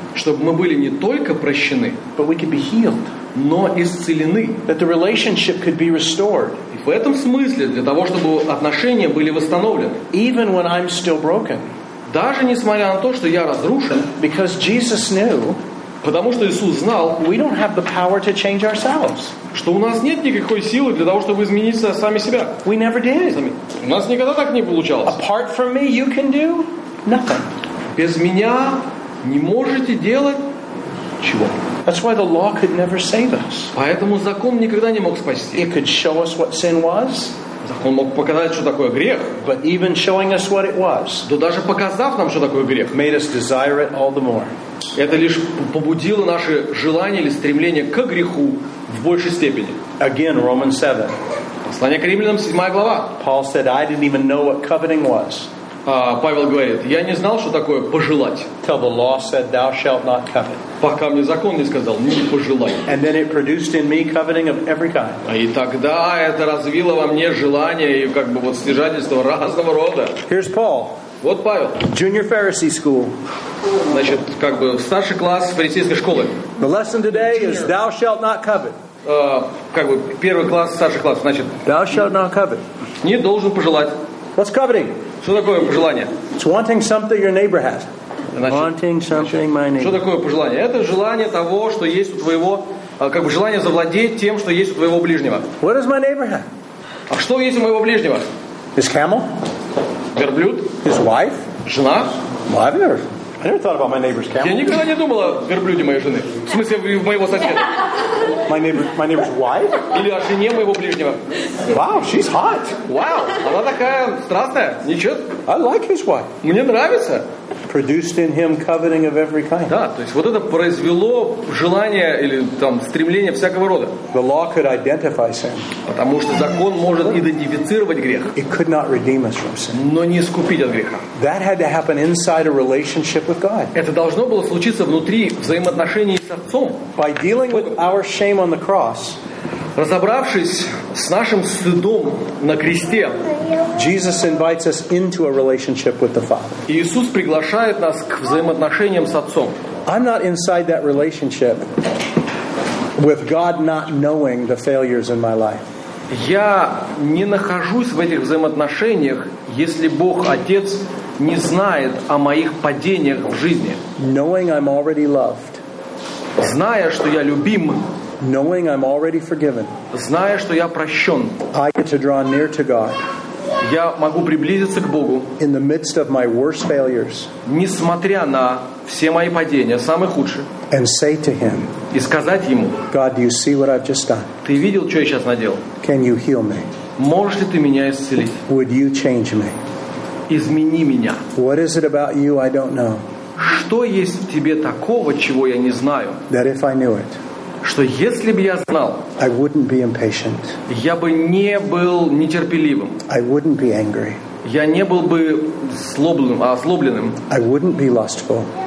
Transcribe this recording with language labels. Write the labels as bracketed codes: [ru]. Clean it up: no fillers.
[ru] Чтобы мы были не только прощены. [en] But we could be healed. [ru] Но исцелены. [en] That the relationship could be restored. [ru] В этом смысле, для того, чтобы отношения были восстановлены. [en] Even when I'm still broken. [ru] Даже несмотря на то, что я разрушен. [en] Because Jesus knew. [ru] Потому что Иисус знал, [en] we don't have the power to change ourselves. [ru] Что у нас нет никакой силы для того, чтобы измениться сами себя. [en] We never did. [ru] У нас никогда так не получалось. [en] Apart from me, you can do nothing. [ru] Без меня не можете делать чего. [en] That's why the law could never save us. [ru] Поэтому закон никогда не мог спасти. [en] It could show us what sin was. [ru] Он мог показать, что такое грех. [en] But even showing us what it was, [ru] да даже показав нам, что такое грех, [en] made us desire it all the more. [ru] Это лишь побудило наше желание или стремление к греху в большей степени. [en] Again, Romans 7. [ru] Послание к Римлянам, 7 глава. [en] Paul said, I didn't even know what coveting was. [ru] Павел говорит, я не знал, что такое пожелать. [en] Till the law said, thou shalt not covet. [ru] Пока мне закон не сказал, не пожелай. [en] And then it produced in me coveting of every kind. [ru] И тогда это развило во мне желание и как бы вот стяжательство разного рода. [en] Here's Paul. [ru] Вот Павел. [en] Junior Pharisee school. [ru] Значит, как бы старший класс фарисейской школы. [en] The lesson today is thou shalt not covet. [ru] Как бы первый класс, старший класс, значит. [en] Thou shalt not covet. [ru] Не должен пожелать. [en] What's coveting? [ru] Что такое пожелание? [en] It's wanting something your neighbor has. [ru] Значит, [en] wanting something my neighbor. [ru] Что такое пожелание? Это желание того, что есть у твоего, как бы желание завладеть тем, что есть у твоего ближнего. [en] What does my neighbor have? [ru] А что есть у моего ближнего? [en] His camel? [ru] Верблюд? [en] His wife? [ru] Жена? [en] Well, I never thought about my neighbor's camel. [ru] Я никогда не думал о верблюде моей жены. В смысле, моего соседа. [en] My neighbor's wife? [ru] Или о жене моего ближнего. [en] Wow, she's hot. [ru] Wow, она такая страстная. Ничего. [en] I like his wife. [ru] Мне нравится. [en] Produced in him coveting of every kind. [ru] Да, то есть вот это произвело желание или там стремление всякого рода. [en] The law could identify sin. [ru] Потому что закон может идентифицировать грех. [en] It could not redeem us from sin. [ru] Но не искупить от греха. [en] That had to happen inside a relationship with God. [ru] Это должно было случиться внутри взаимоотношений с Отцом. [en] By dealing with our shame on the cross. [ru] Разобравшись с нашим стыдом на кресте, [en] Jesus invites us into a relationship with the Father. [ru] Иисус приглашает нас к взаимоотношениям с Отцом. [en] I'm not inside that relationship with God not knowing the failures in my life. [ru] Я не нахожусь в этих взаимоотношениях, если Бог Отец не знает о моих падениях в жизни. [en] Knowing I'm already loved. [ru] Зная, что я любим. [en] Knowing I'm already forgiven. [ru] Зная, что я прощен. [en] I get to draw near to God. [ru] Я могу приблизиться к Богу. [en] In the midst of my worst failures. [ru] Несмотря на все мои падения, самые худшие. [en] And say to him. [ru] И сказать ему. [en] God, do you see what I've just done? [ru] Ты видел, что я сейчас наделал? [en] Can you heal me? [ru] Можешь ли ты меня исцелить? [en] Would you change me? [ru] Измени меня. [en] What is it about you I don't know? [ru] Что есть в тебе такого, чего я не знаю? [en] That if I knew it. [ru] Что если бы я знал, [en] I wouldn't be impatient. [ru] Я бы не был нетерпеливым. [en] I wouldn't be angry. [ru] Я не был бы озлобленным. [en] I wouldn't be lustful.